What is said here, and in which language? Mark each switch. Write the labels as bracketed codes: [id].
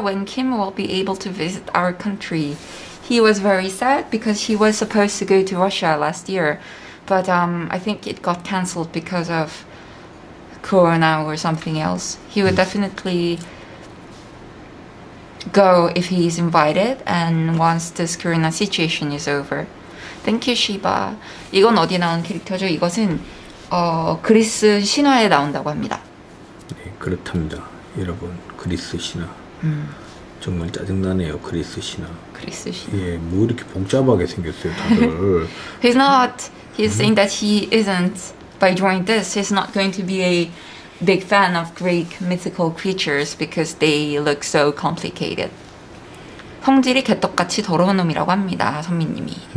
[en] When Kim will be able to visit our country? He was very sad because he was supposed to go to Russia last year, but I think it got cancelled because of Corona or something else. He would definitely go if he's invited and once this Corona situation is over. Thank you, Shiba. [ko] 이건 어디 나온 캐릭터죠? 이것은 그리스 신화에 나온다고 합니다. 네, 그렇답니다. 여러분, 그리스 신화. 정말 짜증나네요, 그리스 신화. 그리스 신화. 예, 뭐 이렇게 복잡하게 생겼어요, 다들. [en] He's not, he's saying that he isn't, by drawing this, he's not going to be a big fan of Greek mythical creatures because they look so complicated. [ko] 성질이 개떡같이 더러운 놈이라고 합니다, 선미님이.